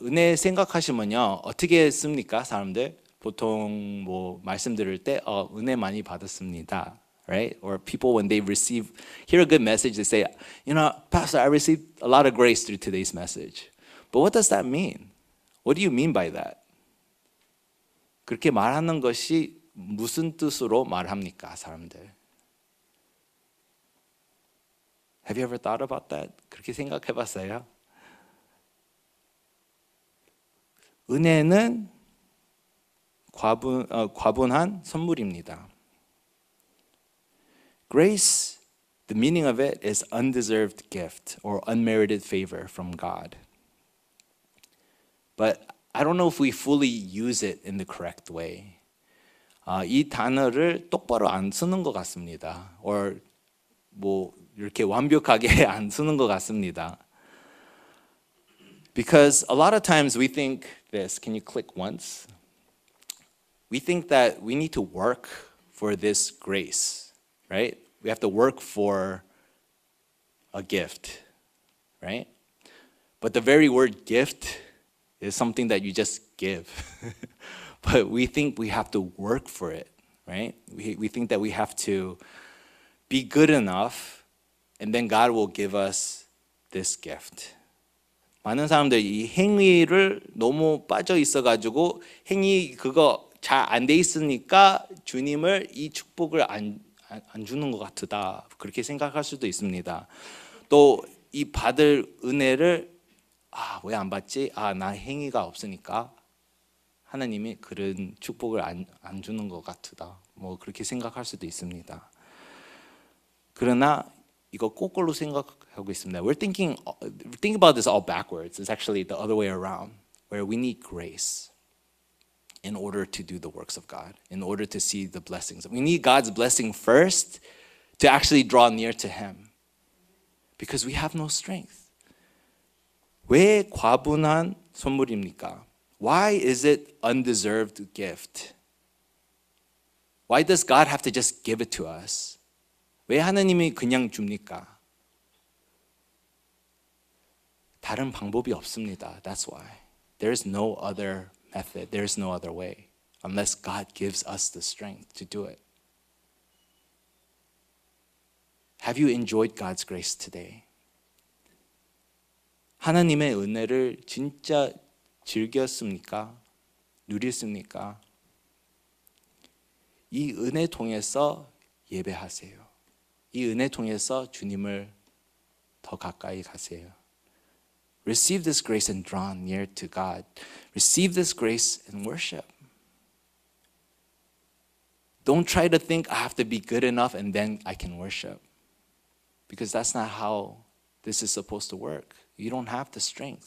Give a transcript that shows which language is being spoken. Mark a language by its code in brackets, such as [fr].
[ko] 은혜 생각하시면요, 어떻게 씁니까, 사람들? 보통 뭐 말씀드릴 때, 은혜 많이 받았습니다, right? [en] Or people when they receive, hear a good message, they say, you know, Pastor, I received a lot of grace through today's message. But what does that mean? What do you mean by that? [ko] 그렇게 말하는 것이 무슨 뜻으로 말합니까, 사람들? [en] Have you ever thought about that? [ko] 그렇게 생각해봤어요? 은혜는 과분한 선물입니다. [en] Grace, the meaning of it is undeserved gift or unmerited favor from God. But I don't know if we fully use it in the correct way. [ko] 이 단어를 똑바로 안 쓰는 것 같습니다. Or 뭐 이렇게 완벽하게 안 쓰는 것 같습니다. [en] Because a lot of times we think this, can you click once? We think that we need to work for this grace, right? We have to work for a gift, right? But the very word gift is something that you just give. But we think we have to work for it, right? We think that we have to be good enough and then God will give us this gift. [ko] 많은 사람들이 행위를 너무 빠져 있어가지고 행위 그거 잘 안 돼 있으니까 주님을 이 축복을 안 주는 것 같다 그렇게 생각할 수도 있습니다. 또 이 받을 은혜를 아 왜 안 받지? 아 나 행위가 없으니까 하나님이 그런 축복을 안 주는 것 같다 뭐 그렇게 생각할 수도 있습니다. 그러나 이거 거꾸로 생각하고 있습니다. [en] We're thinking about this all backwards. It's actually the other way around, where we need grace in order to do the works of God, in order to see the blessings. We need God's blessing first to actually draw near to Him, because we have no strength. [ko] 왜 과분한 선물입니까? [en] Why is it undeserved gift? Why does God have to just give it to us? [ko] 왜 하나님이 그냥 줍니까? 다른 방법이 없습니다. [en] That's why. There is no other method. There is no other way unless God gives us the strength to do it. Have you enjoyed God's grace today? [ko] 하나님의 은혜를 진짜 즐겼습니까? 누렸습니까? 이 은혜 통해서 예배하세요. 이 은혜 통해서 주님을 더 가까이 가세요. [en] Receive this grace and draw near to God. Receive this grace and worship. Don't try to think I have to be good enough and then I can worship. Because that's not how this is supposed to work. You don't have the strength.